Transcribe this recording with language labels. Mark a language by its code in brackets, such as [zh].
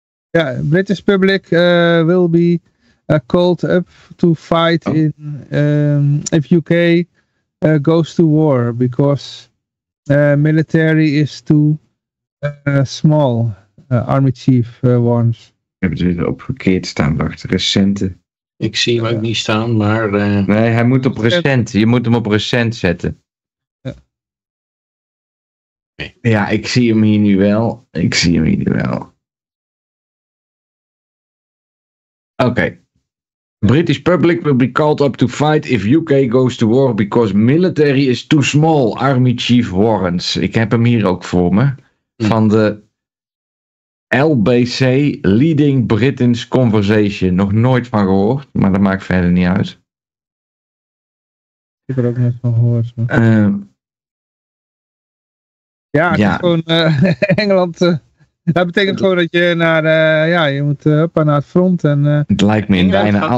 [en] Ja, British public will be called up to fight in if UK goes to war because military is too small. Army chief warns. [nl] Ik heb het weer op verkeerd staan, wacht. Recente. Ik zie hem ook niet staan, maar... Nee, hij moet op recent. Je moet hem op recent zetten. Ja. Ja, ik zie hem hier nu wel. Ik zie hem hier nu wel. Oké. [en] British public will be called up to fight if UK goes to war because military is too small. Army chief warns. [nl] Ik heb hem hier ook voor me. Van de... [en] LBC, Leading Britain's Conversation. [nl] Nog nooit van gehoord, maar dat maakt verder niet uit. Ik heb er ook net van gehoord. Ja, het is gewoon Engeland. Dat betekent gewoon dat je naar, je moet naar het front. En, het lijkt me in bijna...